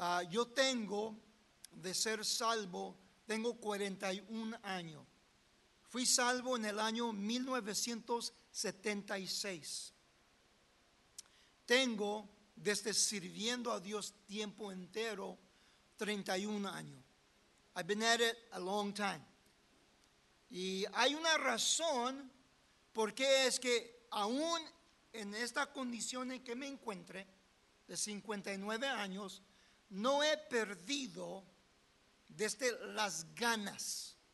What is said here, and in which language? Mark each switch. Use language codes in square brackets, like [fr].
[es] Yo tengo, de ser salvo, tengo 41 años. Fui salvo en el año 1976. Tengo, desde sirviendo a Dios tiempo entero, 31 años. [en] I've been at it a long time. [es] Y hay una razón por qué es que aún en esta condición en que me encuentre, de 59 años, no he perdido desde las ganas.